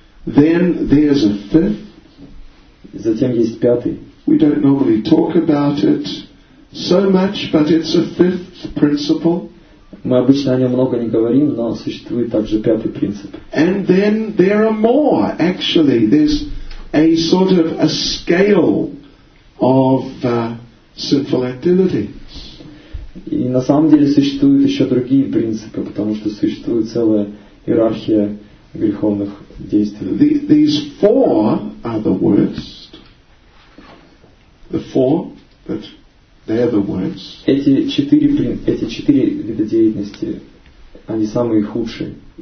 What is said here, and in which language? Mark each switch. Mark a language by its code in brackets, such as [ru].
[en] Then there's a fifth. [ru] Затем есть пятый. [en] We don't normally talk about it so much, but it's a fifth principle. [ru] Мы обычно о нем много не говорим, но существует также пятый принцип. [en] And then there are more, actually. There's a sort of a scale of sinful activities. [ru] И на самом деле существуют еще другие принципы, потому что существует целая иерархия греховных действий. [en] These four are the worst. The four, but they are the worst. [ru] Эти четыре вида деятельности, они самые худшие.